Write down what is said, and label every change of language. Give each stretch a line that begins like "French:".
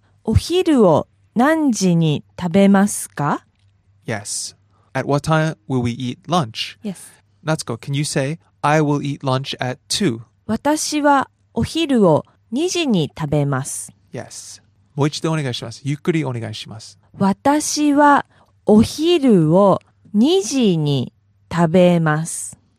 Japanese: お昼を何時に食べますか?
English: Yes. At what time will we eat lunch? Yes. Natsuko, can you say, I will eat lunch at 2?
Japanese: 私はお昼を2時に食べます。
English: Yes.
Japanese: もう一度お願いします。ゆっくりお願いします。私はお昼を2時に食べます。